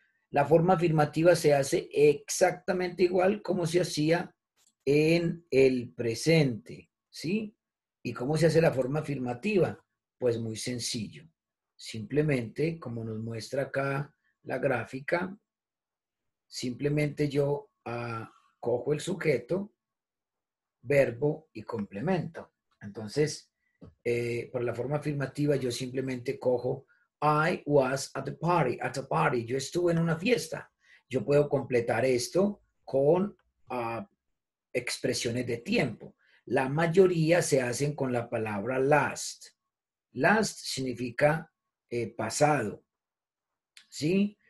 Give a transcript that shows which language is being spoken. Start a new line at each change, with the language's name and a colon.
Spanish: La forma afirmativa se hace exactamente igual como se hacía en el presente. ¿Sí? ¿Y cómo se hace la forma afirmativa? Pues muy sencillo. Simplemente, como nos muestra acá la gráfica, simplemente yo cojo el sujeto, verbo y complemento. Entonces, para la forma afirmativa yo simplemente cojo
English: I was at the party,
Spanish: at the party. Yo estuve en una fiesta. Yo puedo completar esto con expresiones de tiempo. La mayoría se hacen con la palabra last. Last significa pasado. ¿Sí?